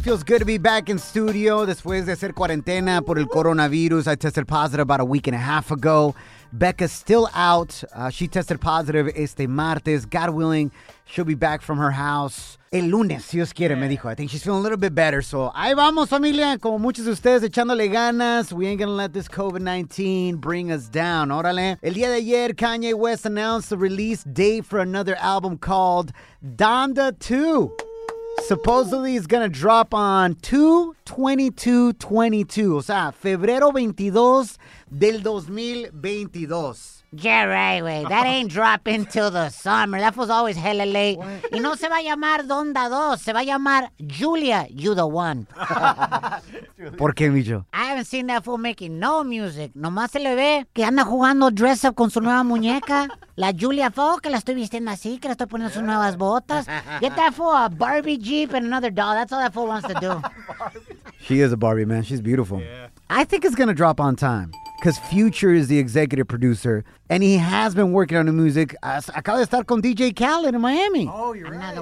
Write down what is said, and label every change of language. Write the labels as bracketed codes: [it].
[en] Feels good to be back in studio [es] después de hacer cuarentena por el coronavirus. [en] I tested positive about a week and a half ago. Becca's still out. She tested positive [es] este martes. [en] God willing, she'll be back from her house [es] el lunes, si Dios quiere, me dijo. [en] I think she's feeling a little bit better. [es] So ahí vamos, familia. Como muchos de ustedes, echándole ganas. [en] We ain't gonna let this COVID-19 bring us down. Órale. [es] El día de ayer, [en] Kanye West announced the release date for another album called Donda 2. Supposedly, it's going to drop on 2/22/22. [es] O sea, febrero 22 del 2022. [en] Yeah, right, wey. That ain't dropping till the summer. That was always hella late. [es] What? Y no se va a llamar Donda 2. Se va a llamar Julia, [en] you the one. [es] ¿Por qué, Micho? [en] I haven't seen that fool making no music. [es] Nomás se le ve que anda jugando dress up con su nueva muñeca. La Julia Fox, que la estoy vistiendo así, que le estoy poniendo sus nuevas botas. [en] Get that fool a Barbie Jeep and another doll. That's all that fool wants to do. She is a Barbie, man. She's beautiful. Yeah. I think it's going to drop on time. Because Future is the executive producer, and he has been working on new music. [es] Acaba de estar con DJ Khaled in Miami. [en] Oh, you're right. Another